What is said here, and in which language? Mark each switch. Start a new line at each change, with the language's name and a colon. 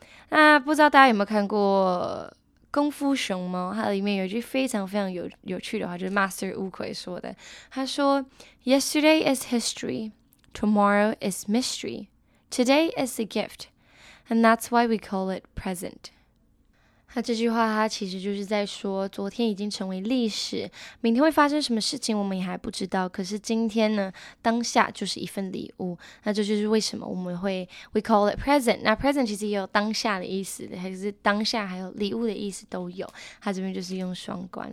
Chinese: 那不知道大家有没有看过《功夫熊猫》？它里面有一句非常非常有趣的话，就是 Master 乌龟说的。他说 ：“
English: Yesterday is history, tomorrow is mystery, today is a gift, and that's why we call it present.”
Chinese: 那这句话它其实就是在说，昨天已经成为历史，明天会发生什么事情我们也还不知道，可是今天呢，当下就是一份礼物。那这就是为什么我们会
English: we call it present。
Chinese: 那 present 其实也有当下的意思，还是当下还有礼物的意思都有，它这边就是用双关。